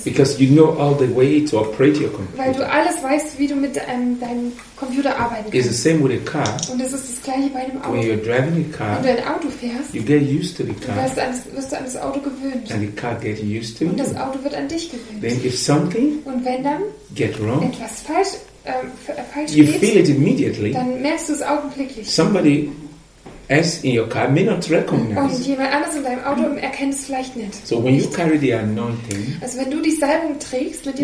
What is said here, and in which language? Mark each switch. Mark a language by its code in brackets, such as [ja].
[en] Because you know all the way to operate your computer. [de] Weil du alles weißt, wie du mit deinem Computer arbeiten kannst. [en] It's the same with a car. [de] Und es ist das gleiche bei einem Auto. [en] When you're driving a car, [de] wenn du ein Auto fährst, [en] you get used to the car. [de] Wirst du an das Auto gewöhnt. [en] And the car get used to [de] und das Auto wird an dich gewöhnt. [en] Then if something [de] und wenn dann [en] get wrong, [de] etwas falsch [en] you [de] geht, [en] feel it immediately. [de] Dann merkst du es augenblicklich. [en] Somebody as in your car may not recognize. [de] Und jemand anders in deinem Auto erkennt es vielleicht nicht. [en] So when you carry the anointing, [de] also wenn du die Salbung trägst, mit dir